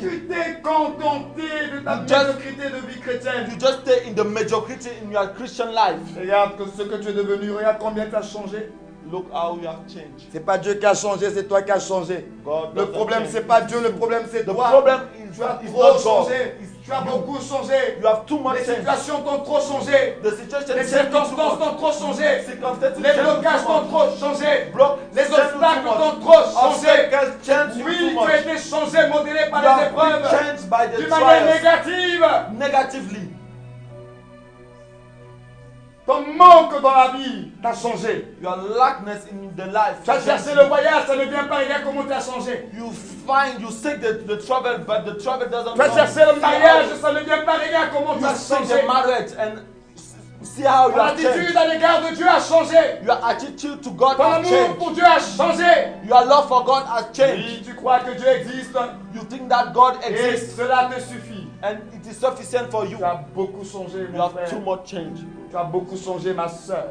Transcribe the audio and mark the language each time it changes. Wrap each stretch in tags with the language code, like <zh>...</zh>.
<fr>Tu t'es contenté de ta médiocrité de vie chrétienne.</fr> <en>You just stay in the mediocrity in your Christian life.</en> <fr>Regarde ce que tu es devenu. Regarde combien tu as changé.</fr> <en>Look how you have changed.</en> <fr>C'est pas Dieu qui a changé, c'est toi qui as changé.</fr> <en>God,</en> <fr>le problème c'est pas Dieu, le problème c'est toi.</fr> <en>The problem is</en> <fr>tu as trop changé. Tu as beaucoup changé.</fr> <en>You have too much.</en> <fr>Les situations t'ont trop changé.</fr> <en>The situation</en> <fr>les circonstances t'ont trop changé. Les blocages t'ont trop changé. Les obstacles t'ont trop changé. Oui, tu as été changé, modélé par les épreuves. D'une manière négative.</fr> <en>Negatively.</en> <fr>Ton manque dans la vie t'a changé.</fr> <en>Your lackness in the life.</en> <fr>Tu as cherché le voyage, ça ne vient pas. Regarde comment tu as changé.</fr> <en>You find, you seek the travel, but the travel doesn't.</en> <fr>Tu as cherché le mariage, ça ne vient pas. Regarde comment tu as changé.</fr> <en>You seek the marriage and see how you have changed.</en> <fr>Ton attitude à l'égard de Dieu a changé.</fr> <en>Your attitude to God has changed.</en> <fr>Ton amour pour Dieu a changé.</fr> <en>Your love for God has changed.</en> <fr>Oui, tu crois que Dieu existe.</fr> <en>You think that God exists.</en> <fr>Et cela te suffit.</fr> <en>And it is sufficient for you.</en> <fr>Tu as beaucoup changé, mon frère.</fr> <en>You have too much change.</en> <fr>Tu as beaucoup changé, ma soeur.</fr>